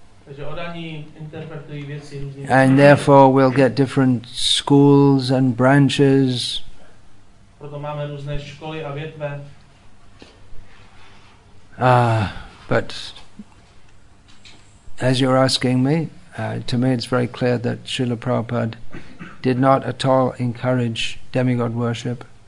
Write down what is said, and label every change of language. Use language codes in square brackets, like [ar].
[cs] Takže odaní interpretují věci různě. [en] And therefore we'll get different schools and branches. [cs] Proto máme různé školy a větve. [en] But as you're asking me, to me it's very clear that Srila Prabhupada did not at all encourage demigod worship.